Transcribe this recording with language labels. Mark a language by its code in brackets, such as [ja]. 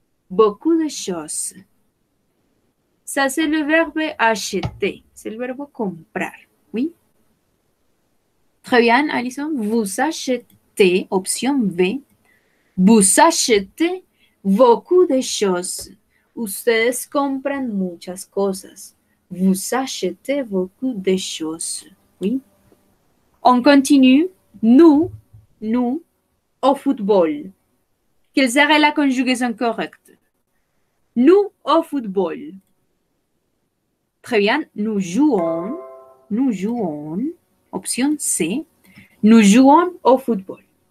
[fr] Beaucoup de choses. Ça, c'est le verbe acheter. C'est le verbe comprar. Oui? Très bien, Alison. Vous achetez, option B. Vous achetez beaucoup de choses. [es] Ustedes compran muchas cosas. [fr] Vous achetez beaucoup de choses. Oui? On continue. Nous, au football. Quelle serait la conjugaison correcte? Nous, au football. Très bien, nous jouons, option C, nous jouons au football.